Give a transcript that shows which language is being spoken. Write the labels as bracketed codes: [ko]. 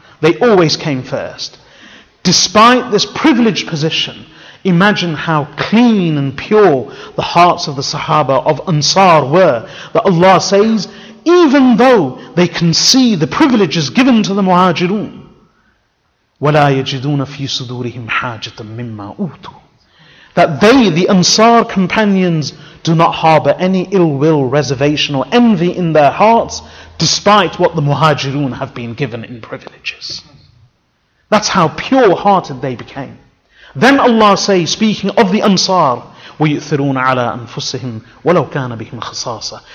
[en] They always came first. Despite this privileged position, imagine how clean and pure the hearts of the Sahaba of Ansar were, that Allah says, even though they can see the privileges given to the Muhajirun, [ar] ولا يجدون في صدورهم حاجة مما أوتوا. [en] That they, the Ansar companions, do not harbor any ill will, reservation, or envy in their hearts, despite what the Muhajirun have been given in privileges. That's how pure-hearted they became. Then Allah says, speaking of the Ansar, [ar] وَيُؤْثِرُونَ عَلَىٰ أَنفُسِهِمْ وَلَوْ كَانَ بِهِمْ خَصَاصَةً.